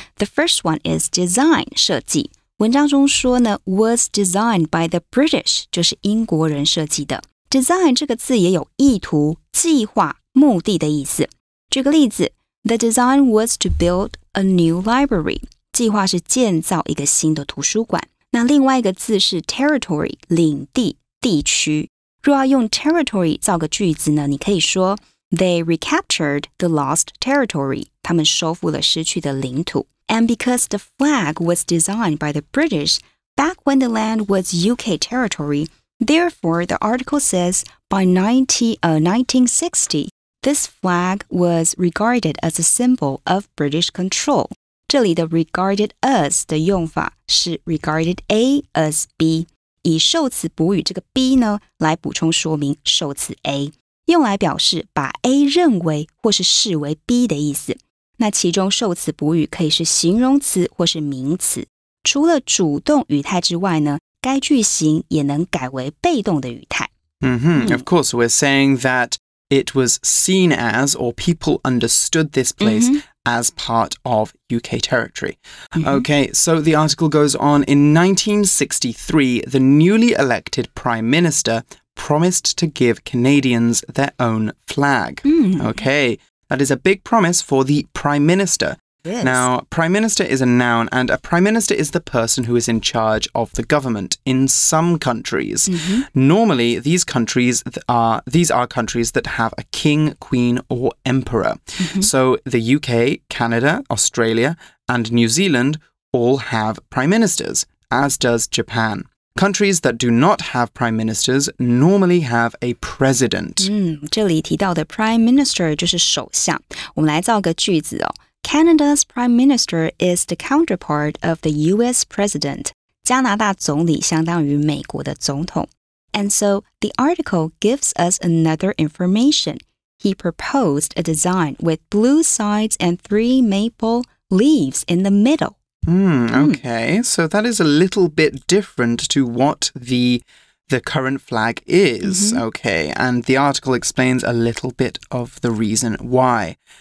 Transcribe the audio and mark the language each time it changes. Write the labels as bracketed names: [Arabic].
[English] The first one is design, [Chinese] 设计。文章中说呢 [English] was designed by the British, [Chinese] 就是英国人设计的。 Design 这个字也有意图、计划、目的的意思。举个例子 [English] ,The design was to build a new library. [Chinese] 计划是建造一个新的图书馆。那另外一个字是 territory, 领地、地区。若要用 territory 造个句子呢,你可以说 [English] They recaptured the lost territory. [Chinese] 他们收复了失去的领土。 [English] And because the flag was designed by the British, back when the land was UK territory,Therefore, the article says, by 1960, this flag was regarded as a symbol of British control. [Chinese] 这里的 regarded as 的用法是 regarded A as B, 以受词补语这个 B 呢来补充说明受词 A, 用来表示把 A 认为或是视为 B 的意思。那其中受词补语可以是形容词或是名词。除了主动语态之外呢该句型也能改为被动的语态。 [English] Of course, we're saying that it was seen as, or people understood this place as part of UK territory. Okay, so the article goes on. In 1963, the newly elected Prime Minister promised to give Canadians their own flag. Okay, that is a big promise for the Prime Minister. Now, Prime Minister is a noun, and a Prime Minister is the person who is in charge of the government in some countries. Normally, these are countries that have a king, queen, or emperor. So the UK, Canada, Australia, and New Zealand all have prime ministers, as does Japan. Countries that do not have prime ministers normally have a president. [Chinese] 这里提到的 prime minister 就是首相。我们来造个句子哦。 [English] Canada's prime minister is the counterpart of the US president. [Chinese] 加拿大总理相当于美国的总统。 [English] And so, the article gives us another information. He proposed a design with blue sides and three maple leaves in the middle. Okay, so that is a little bit different to what the current flag is. Mm-hmm. Okay, and the article explains a little bit of the reason why.